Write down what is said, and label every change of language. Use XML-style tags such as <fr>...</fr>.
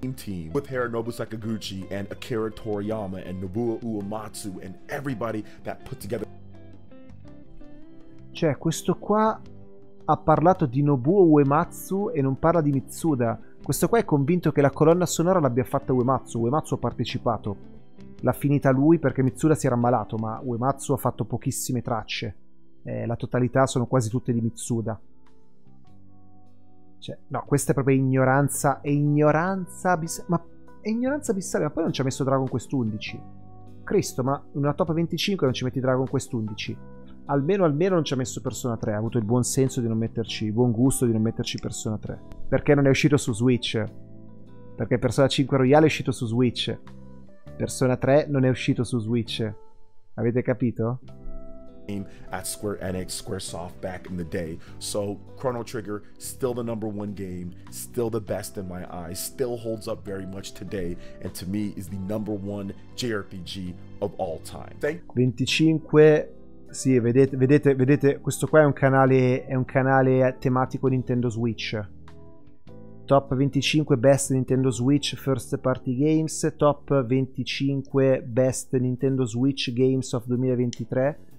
<en>Team with Hiro Nobu Sakaguchi and Akira Toriyama and Nobuo Uematsu and everybody that put together.</en> <it>Cioè, questo qua ha parlato di Nobuo Uematsu e non parla di Mitsuda. Questo qua è convinto che la colonna sonora l'abbia fatta Uematsu. Uematsu ha partecipato. L'ha finita lui perché Mitsuda si era ammalato, ma Uematsu ha fatto pochissime tracce. La totalità sono quasi tutte di Mitsuda. Cioè, no, questa è proprio ignoranza. È ignoranza abissale. Ma poi non ci ha messo Dragon Quest 11. Cristo, ma in una top 25 non ci metti Dragon Quest 11. Almeno non ci ha messo Persona 3. Ha avuto il buon senso di non metterci, il buon gusto di non metterci Persona 3. Perché non è uscito su Switch? Perché Persona 5 Royale è uscito su Switch. Persona 3 non è uscito su Switch. Avete capito?</it> <en>At Square Enix, Squaresoft back in the day. So Chrono Trigger still the number one game, still the best in my eyes, still holds up very much today, and to me is the number one JRPG of all time. 25.</en> <it>Sì, vedete, questo qua è un canale tematico Nintendo Switch.</it> <en>Top 25 best Nintendo Switch first party games, top 25 best Nintendo Switch games of 2023.</en>